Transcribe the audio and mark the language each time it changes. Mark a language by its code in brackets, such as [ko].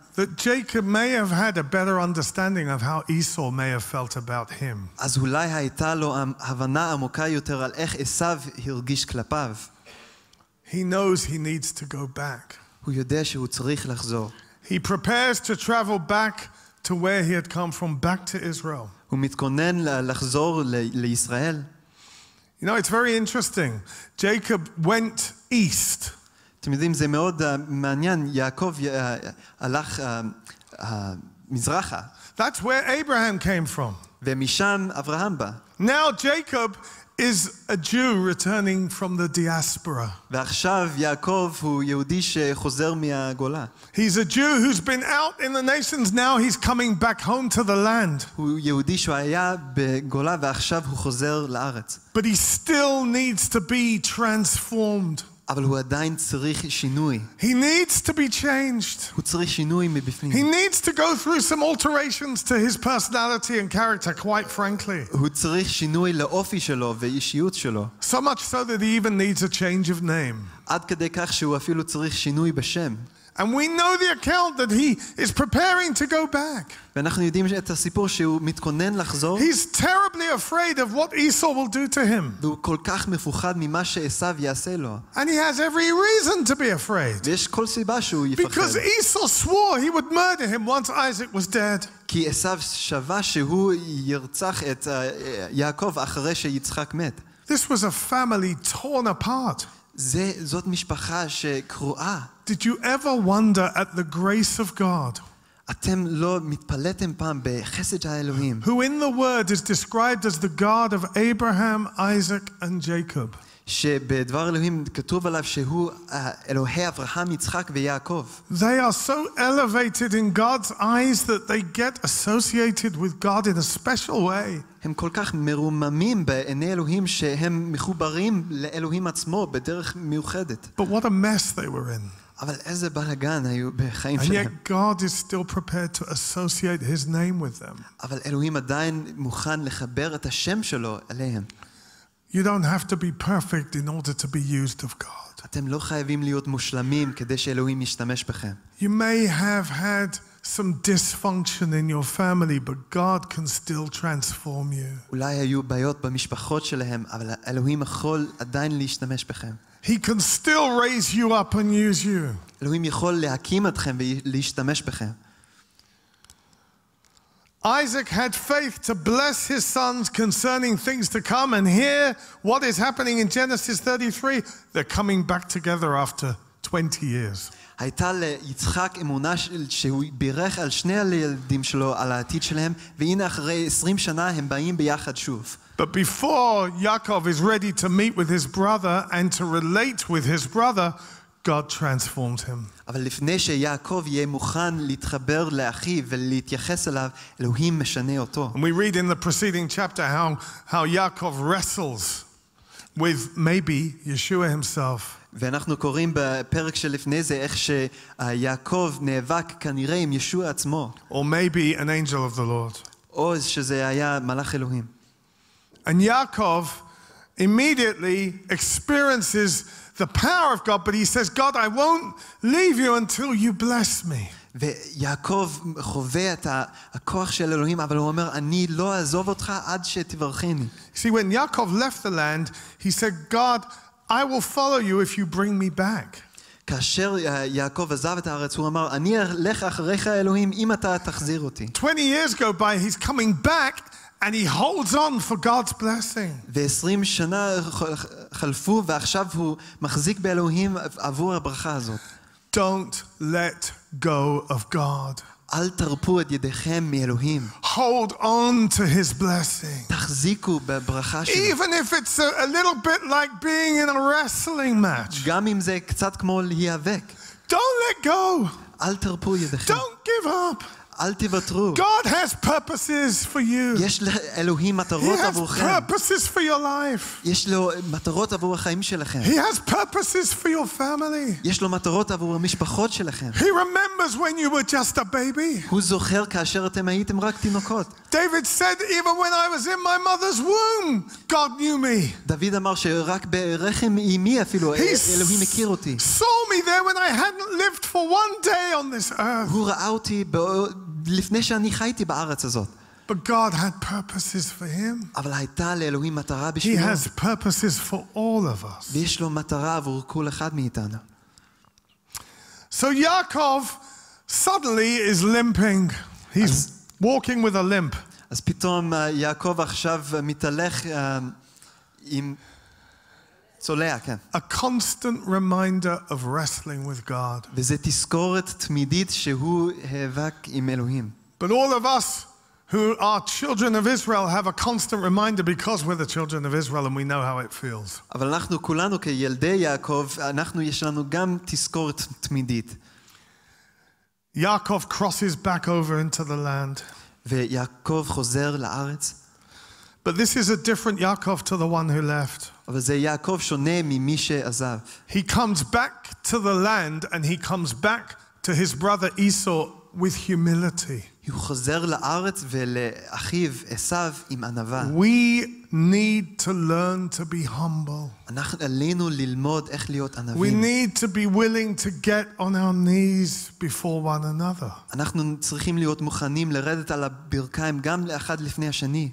[en] that Jacob may have had a better understanding of how Esau may have felt about him. [he] אז אולי הייתה לו הבנה עמוקה יותר על איך עשיו הרגיש כלפיו. [en] He knows he needs to go back. [he] הוא יודע שהוא צריך לחזור. [en] He prepares to travel back to where he had come from, back to Israel. [he] הוא מתכונן לחזור לישראל. [en] You know, it's very interesting. Jacob went east. [he] אתם יודעים, זה מאוד מעניין. יעקב הלך מזרחה. [en] That's where Abraham came from. [he] ומשם אברהם בא. [en] Now Jacob is a Jew returning from the diaspora. [he] ועכשיו יעקב הוא יהודי שחוזר מהגולה. [en] He's a Jew who's been out in the nations, now he's coming back home to the land. [he] הוא יהודי שהיה בגולה ועכשיו הוא חוזר לארץ. [en] But he still needs to be transformed. [he] אבל הוא עדיין צריך שינוי. [en] He needs to be changed. [he] הוא צריך שינוי מבפנים. [en] He needs to go through some alterations to his personality and character, quite frankly. [he] הוא צריך שינוי לאופי שלו ואישיות שלו. [en] So much so that he even needs a change of name. [he] עד כדי כך שהוא אפילו צריך שינוי בשם. [en] And we know the account that he is preparing to go back. [he] ואנחנו יודעים את הסיפור שהוא מתכונן לחזור. [en] He's terribly afraid of what Esau will do to him. [he] והוא כל כך מפוחד ממה שעשיו יעשה לו. [en] And he has every reason to be afraid. [he] ויש כל סיבה שהוא יפחד. [en] Because Esau swore he would murder him once Isaac was dead. [he] כי עשיו שווה שהוא ירצח את יעקב אחרי שיצחק מת. [en] This was a family torn apart. [he] זאת משפחה שקרועה. [en] Did you ever wonder at the grace of God? [he] אתם לא מתפלאתם פעם בחסד האלוהים? [en] Who in the word is described as the God of Abraham, Isaac and Jacob? [he] שבדבר אלוהים כתוב עליו שהוא אלוהי אברהם, יצחק ויעקב. [en] They are so elevated in God's eyes that they get associated with God in a special way. [he] הם כל כך מרוממים בעיני אלוהים שהם מחוברים לאלוהים עצמו בדרך מיוחדת. [en] But what a mess they were in. [he] אבל איזה בלגן היו בחיים [en] and [he] שלהם. [en] Yet God is still prepared to associate his name with them. [he] אבל אלוהים עדיין מוכן לחבר את השם שלו אליהם. [en] You don't have to be perfect in order to be used of God. [he] אתם לא חייבים להיות מושלמים כדי שאלוהים ישתמש בכם. [en] You may have had some dysfunction in your family, but God can still transform you. [he] אולי היו בעיות במשפחות שלהם, אבל אלוהים יכול עדיין להשתמש בכם. [en] He can still raise you up and use you. [he] אלוהים יכול להקים אתכם ולהשתמש בכם. [en] Isaac had faith to bless his sons concerning things to come, and here what is happening in Genesis 33, they're coming back together after 20 years. [he] הייתה ליצחק אמונה שהוא בירך על שני הילדים שלו על העתיד שלהם, והנה אחרי 20 שנה הם באים ביחד שוב. [en] But before Yaakov is ready to meet with his brother and to relate with his brother, God transforms him. [he] אבל לפני שיעקב יהיה מוכן להתחבר לאחיו ולהתייחס אליו, אלוהים משנה אותו. [en] And we read in the preceding chapter how Yaakov wrestles with maybe Yeshua himself. [he] ואנחנו קוראים בפרק שלפני זה איך שיעקב נאבק כנראה עם ישוע עצמו. [en] Or maybe an angel of the Lord. [he] או שזה היה מלאך אלוהים. [en] And Yaakov immediately experiences the power of God, but he says, God, I won't leave you until you bless me. [he] ויעקב חווה את הכוח של אלוהים, אבל הוא אומר, אני לא אעזוב אותך עד שתברכני. [en] See, when Yaakov left the land, he said, God, I will follow you if you bring me back. [he] כאשר יעקב עזב את הארץ, הוא אמר, אני אלך אחריך אלוהים אם אתה תחזיר אותי. [en] 20 years go by, he's coming back and he holds on for God's blessing. [he] ו-20 שנה חלפו ועכשיו הוא מחזיק באלוהים עבור הברכה הזאת. [en] Don't let go of God. [he] אל תרפו את ידיכם מאלוהים. [en] Hold on to his blessing. [he] תחזיקו בברכה שלו. [en] Even if it's a little bit like being in a wrestling match. [he] גם אם זה קצת כמו להיאבק. [en] Don't let go. [he] אל תרפו ידיכם. [en] Don't give up. [he] אל תוותרו. [en] God has purposes for you. [he] יש לאלוהים מטרות עבורכם. [en] He has purposes for your life. [he] יש לו מטרות עבור החיים שלכם. [en] He has purposes for your family. [he] יש לו מטרות עבור המשפחות שלכם. [en] He remembers when you were just a baby. [he] הוא זוכר כאשר אתם הייתם רק תינוקות. [en] David said, even when I was in my mother's womb, God knew me. [he] דוד אמר שרק ברחם אמי אפילו אלוהים הכיר אותי. [en] He saw me there when I hadn't lived for one day on this earth. [he] הוא ראה אותי לפני שאני חייתי בארץ הזאת. [en] But God had purposes for him. [he] אבל הייתה לאלוהים מטרה בשבילו. [en] He has purposes for all of us. [he] ויש לו מטרה עבור כל אחד מאיתנו. [en] So Yaakov suddenly is limping. He's walking with a limp. [he] אז פתאום יעקב עכשיו מתהלך עם צולע, כן. [en] A constant reminder of wrestling with God. [he] וזה תזכורת תמידית שהוא היאבק עם אלוהים. [en] But all of us who are children of Israel have a constant reminder because we're the children of Israel and we know how it feels. [he] אבל אנחנו כולנו כילדי יעקב, אנחנו יש לנו גם תזכורת תמידית. [en] Yaakov crosses back over into the land. [he] ויעקב חוזר לארץ. [en] But this is a different Yaakov to the one who left. [he] אבל זה יעקב שונה ממי שעזב. [en] He comes back to the land and he comes back to his brother Esau with humility. [he] הוא חוזר לארץ ולאחיו עשיו עם ענווה. [en] We need to learn to be humble. [he] אנחנו עלינו ללמוד איך להיות ענווים. [en] We need to be willing to get on our knees before one another. [he] אנחנו צריכים להיות מוכנים לרדת על הברכיים גם לאחד לפני השני.